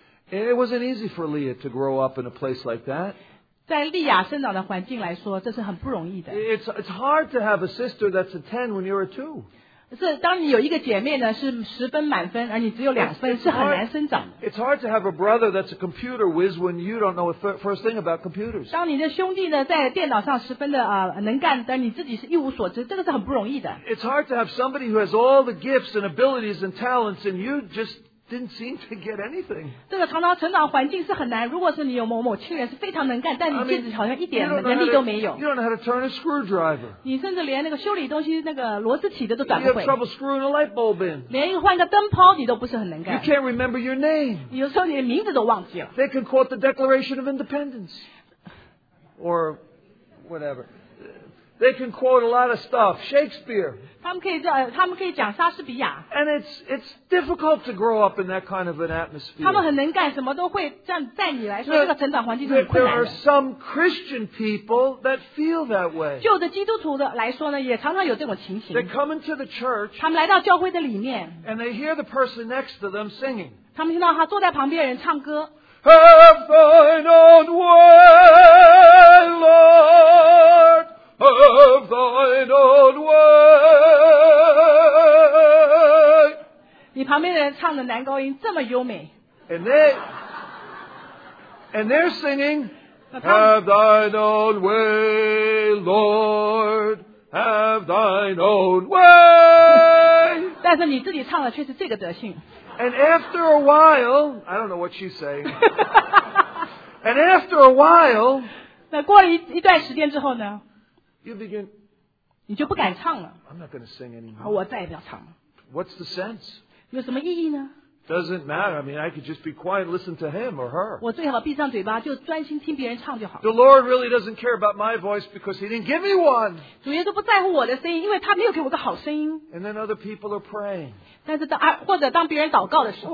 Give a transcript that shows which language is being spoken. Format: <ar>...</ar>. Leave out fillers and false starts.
<en>And it wasn't easy for Leah to grow up in a place like that.</en> <zh>在利亚生长的环境来说,</zh> <en>it's hard to have a sister that's a 10 when you're a 2.</en> <zh>是当你有一个姐妹呢, 是十分满分, 而你只有两分,</zh> <en>it's hard to have a brother that's a computer whiz when you don't know the first thing about computers.</en> <zh>当你的兄弟呢, 在电脑上十分的, 能干, 而你自己是一无所知, 这个是很不容易的。</zh> <en>It's hard to have somebody who has all the gifts and abilities and talents and you just didn't seem to get anything.</en> <zh>这个成长环境是很难, 如果是你有某某亲人, 是非常能干, 但你戒指好像一点能力都没有。</zh> <en>You don't know how to turn a screwdriver.</en> <zh>你甚至连那个修理东西, 那个螺丝起的都转不回。</zh> <en>You have trouble screwing a light bulb in.</en> <zh>连换个灯泡, 你都不是很能干。</zh> <en>You can't remember your name.</en> <zh>有时候你的名字都忘记了。</zh> <en>They can quote the Declaration of Independence. Or whatever. They can quote a lot of stuff. Shakespeare.</en> <zh>他们可以讲莎士比亚。</zh> <en>And it's difficult to grow up in that kind of an atmosphere.</en> <zh>他们很能干什么都会,在你来说,这个成长环境是很困难的。</zh> <en>There are some Christian people that feel that way.</en> <zh>旧的基督徒的来说呢,也常常有这种情形。</zh> <en>They come into the church.</en> <zh>他们来到教会的里面。</zh> <en>And they hear the person next to them singing.</en> <zh>他们听到他坐在旁边的人唱歌。</zh> <en>Have thine own way, Lord. Of thine own way.</en> <zh>你旁边的人唱的男高音这么优美。</zh> <en>And they're singing, have thine own way, Lord, have thine own way.</en> <zh>但是你自己唱的却是这个德性。</zh> <en>And after a while, I don't know what she's saying. And after a while,</en> <zh>那过了一段时间之后呢?</zh> <en>You begin,</en> <zh>你就不敢唱了,</zh> <en>I'm not going to sing anymore. What's the sense?</en> <zh>有什么意义呢?</zh> <en>Doesn't matter. I mean, I could just be quiet and listen to him or her. The Lord really doesn't care about my voice because he didn't give me one. And then other people are praying.</en> <zh>但是当别人祷告的时候,</zh>